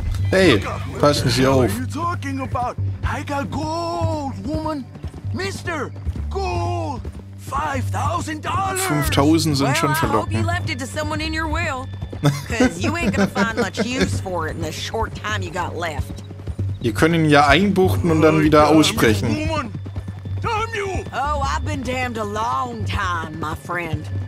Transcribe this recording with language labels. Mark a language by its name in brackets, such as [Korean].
[German] Hey, passen Sie auf. [English] What are you talking about? I got gold, woman. Mister, gold. $5,000. [German] 5,000 sind schon verloren. [English] Well, I hope you left it to someone in your will. Because you ain't gonna find much use for it in the short time you got left. [German] Ihr könnt ihn ja einbuchten und dann wieder aussprechen. [English] Woman. Damn you. Oh, I've been damned a long time, my friend.